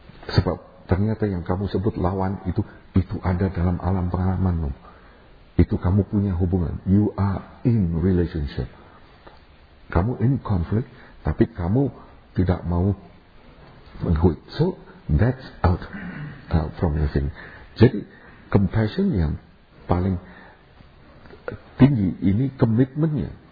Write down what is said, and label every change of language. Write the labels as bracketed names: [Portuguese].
[Indonesian] Sebab ternyata yang kamu sebut lawan itu ada dalam alam pengalamanmu. Itu kamu punya hubungan. [English] You are in relationship. [Indonesian] kamu ini konflik, tapi kamu tidak mau menghui. [English] So that's out from your thing. [Indonesian] Jadi compassion yang paling tinggi ini komitmennya.